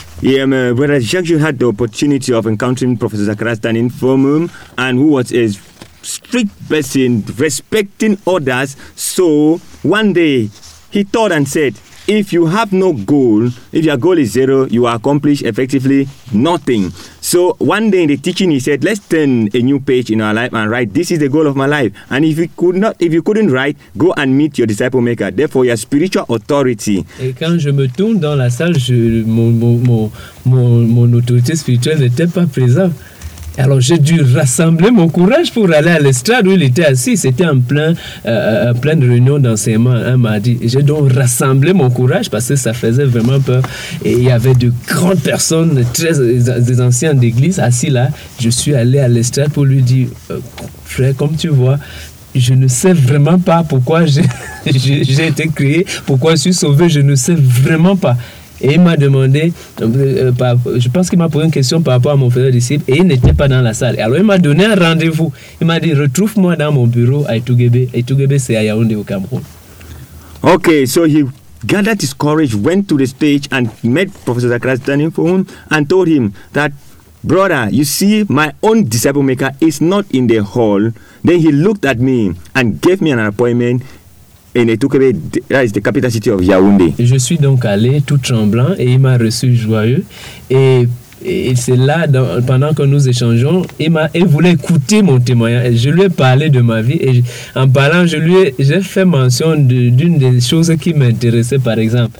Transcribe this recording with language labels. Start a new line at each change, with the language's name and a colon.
English: Brother Jacques, you had the opportunity of encountering Professor Zacharias Tanefomoum, and who was a strict person, respecting others. So, one day, he thought and said, If you have no goal, if your goal is zero, you accomplish effectively nothing. So one day in the teaching, he said, let's turn a new page in our life and write, this is the goal of my life. And if you could not, if you couldn't write, go and meet your disciple maker. Therefore, your spiritual authority.
French: Et quand je me tourne dans la salle, mon autorité spirituelle n'était pas présente. Alors j'ai dû rassembler mon courage pour aller à l'estrade où il était assis. C'était en pleine réunion d'enseignement un mardi. J'ai donc rassemblé mon courage parce que ça faisait vraiment peur. Et il y avait de grandes personnes, des anciens d'église assis là. Je suis allé à l'estrade pour lui dire, frère, comme tu vois, je ne sais vraiment pas pourquoi j'ai été créé, pourquoi je suis sauvé, je ne sais vraiment pas. Et il m'a demandé, je pense qu'il m'a posé une question par rapport à mon frère disciple, et il n'était pas dans la salle. Alors il m'a donné un rendez-vous. Il m'a dit, retrouve-moi dans mon bureau à Itugebe. Itugebe, c'est à Yaoundé, au Cameroun.
English: Ok, so he gathered his courage, went to the stage and met Professor Zacharias standing for him and told him that, brother, you see, my own disciple maker is not in the hall. Then he looked at me and gave me an appointment. In Itugebe, that is the capital city of Yaoundé.
French: Je suis donc allé tout tremblant et il m'a reçu joyeux. Et c'est là, pendant que nous échangeons, il voulait écouter mon témoignage. Je lui ai parlé de ma vie et j'ai fait mention d'une des choses qui m'intéressait, par exemple.